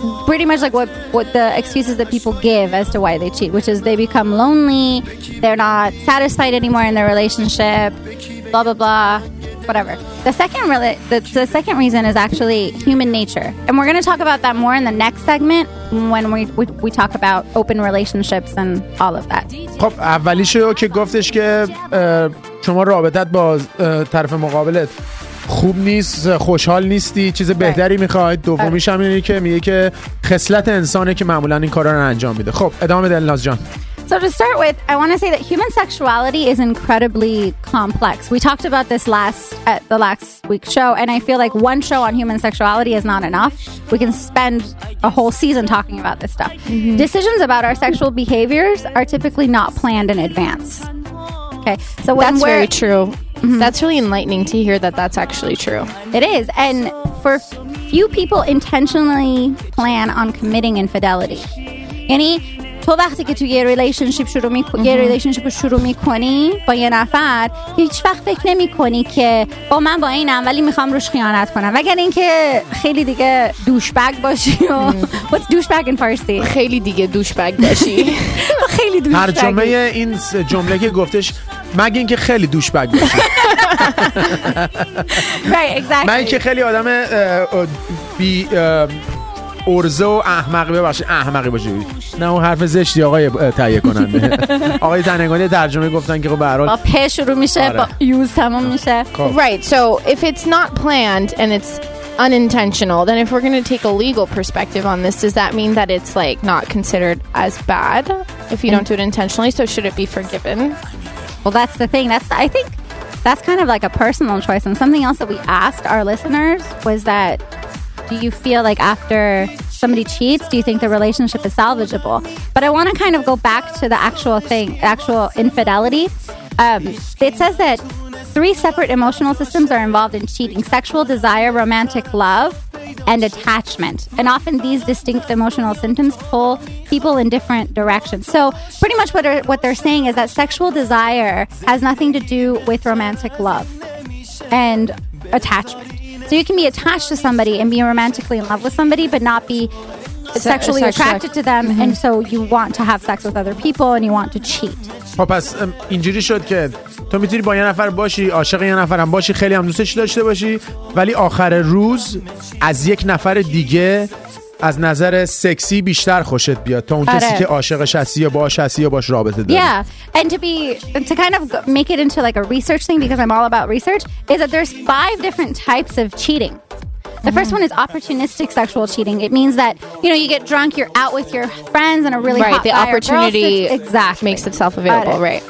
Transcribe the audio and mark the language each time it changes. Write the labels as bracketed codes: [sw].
[en] Pretty much like what the excuses that people give as to why they cheat, which is they become lonely, they're not satisfied anymore in their relationship, blah blah blah, whatever. The second reason is actually human nature, and we're going to talk about that more in the next segment when we talk about open relationships and all of that. [fa] خب اولیش رو که گفتش که شما رابطت با طرف مقابلت خوب نیست، خوشحال نیستی، چیز بهتری میخواید. دومیش هم اینه که میگه که خصلت انسانه که معمولا این کارا رو انجام میده. خب ادامه بده الناز جان. [en] So to start with, I want to say that human sexuality is incredibly complex. We talked about this last week's show, and I feel like one show on human sexuality is not enough. We can spend a whole season talking about this stuff. Mm-hmm. Decisions about our sexual behaviors are typically not planned in advance. Okay, so when that's very true. Mm-hmm. That's really enlightening to hear that that's actually true. It is. And for few people intentionally plan on committing infidelity. [fa] Any تو وقتی که تو یه ریلیشنشیپ شروع می‌کنی، یه ریلیشنشیپ شروع می‌کنی با یه نفر، هیچ وقت فکر نمی‌کنی که با من با اینم ولی می‌خوام روش خیانت کنم، مگر اینکه خیلی دیگه دوشبگ باشی. [en] What's douchebag in Farsi؟ [fa] خیلی دیگه دوشبگ باشی. خیلی دوشبگ. ترجمه این جمله که گفتش مگر اینکه خیلی دوشبگ باشی. [en] Right, exactly. [fa] من که خیلی آدم بی ارزه و احمقی باشه. نه اون حرف زشتی آقای تهیه کننده. آقای تنگانی ترجمه گفتن که خب به هر حال با پ شروع میشه، با یوز تمام میشه. [en] Right, so if it's not planned and it's unintentional, then if we're going to take a legal perspective on this, does that mean that it's like not considered as bad if you don't do it intentionally? So should it be forgiven? Well, that's the thing. I think that's kind of like a personal choice. And something else that we asked our listeners was that, do you feel like after somebody cheats, do you think the relationship is salvageable? But I want to kind of go back to the actual thing, actual infidelity. It says that three separate emotional systems are involved in cheating: sexual desire, romantic love, and attachment. And often these distinct emotional symptoms pull people in different directions. So pretty much what they're saying is that sexual desire has nothing to do with romantic love and attachment. So you can be attached to somebody and be romantically in love with somebody, but not be sexually attracted to them. Mm-hmm. And so you want to have sex with other people and you want to cheat. [fa] خب پس اینجوری شد که تو میتونی با یه نفر باشی، عاشق یه نفرم باشی، خیلی هم دوستش داشته باشی، ولی آخر روز از یک نفر دیگه از نظر سکسی بیشتر خوشت بیاد تا اون کسی که عاشقش هستی یا باهاش هستی یا باهاش رابطه داری. [en] Yeah, and to kind of make it into like a research thing, because I'm all about research, is that there's 5 different types of cheating. The first one is opportunistic sexual cheating. It means that, you know, you get drunk, you're out with your friends and a really right, hot the opportunity girl, so exactly. makes itself available, right?